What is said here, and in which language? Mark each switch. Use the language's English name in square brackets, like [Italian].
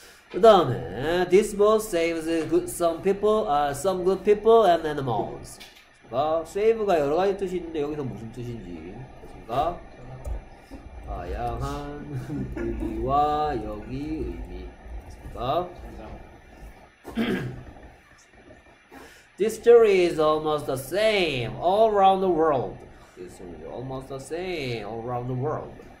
[English] 그다음에 this boat saves good some people, some good people and animals. [Korean] 가 세이브가 여러 가지 뜻이 있는데 여기서 무슨 뜻인지 그렇습니까? 다양한 의미와 여기 의미 그렇습니까? [English] This story is almost the same all around the world. This story is almost the same all around the world.